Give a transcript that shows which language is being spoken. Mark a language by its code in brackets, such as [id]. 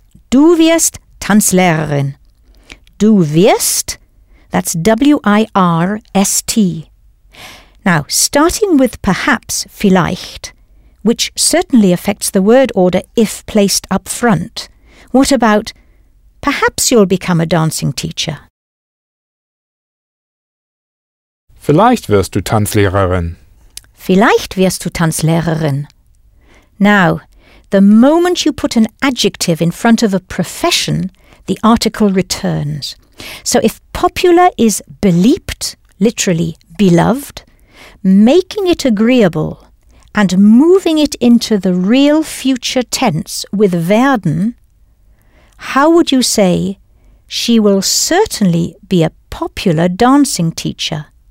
[de] Du wirst Tanzlehrerin. Du wirst, [en] that's W-I-R-S-T. Now, starting with perhaps, vielleicht, which certainly affects the word order if placed up front, what about perhaps you'll become a dancing teacher? [de] Vielleicht wirst du Tanzlehrerin. Vielleicht wirst du Tanzlehrerin. [en] Now, the moment you put an adjective in front of a profession, the article returns. So if popular is beliebt, literally beloved, making it agreeable and moving it into the real future tense with werden, how would you say, she will certainly be a popular dancing teacher?